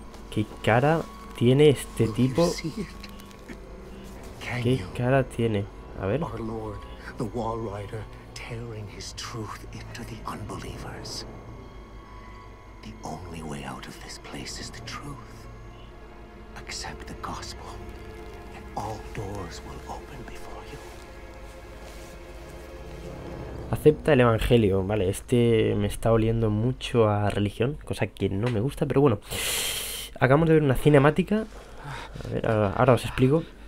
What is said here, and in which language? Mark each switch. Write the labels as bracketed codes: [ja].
[es] ¿Qué cara tiene este tipo? ¿Qué cara tiene? A ver. [en] Our Lord, the Wall Rider, tearing his truth into the unbelievers. The only way out of this place is the truth. Accept the gospel, and all doors will open before you. [es] Acepta el evangelio, vale. Este me está oliendo mucho a religión, cosa que no me gusta, pero bueno. Acabamos de ver una cinemática. A ver, ahora os explico.